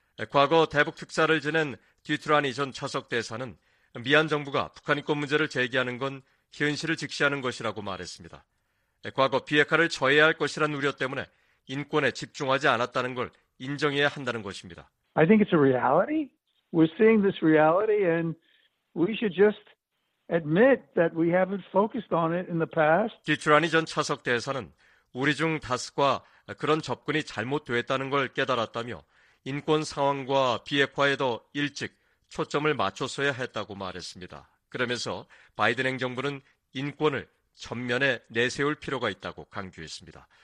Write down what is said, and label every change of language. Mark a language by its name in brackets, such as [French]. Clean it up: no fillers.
[Korean] 과거 대북 특사를 지낸 디트라니 전 차석 대사는 미얀 정부가 북한 인권 문제를 제기하는 건 현실을 직시하는 것이라고 말했습니다. 과거 비핵화를 저해야 할 것이란 우려 때문에 인권에 집중하지 않았다는 걸 인정해야 한다는 것입니다. [English] I think it's a reality. we're seeing this reality, and we should just admit that we haven't focused on it in the past. [Korean] 기출하니 전 차석 대사는 우리 중 다수가 그런 접근이 잘못되었다는 걸 깨달았다며 인권 상황과 비핵화에 더 일찍 초점을 맞춰서야 했다고 말했습니다. 그러면서 바이든 행정부는 인권을 전면에 내세울 필요가 있다고 강조했습니다.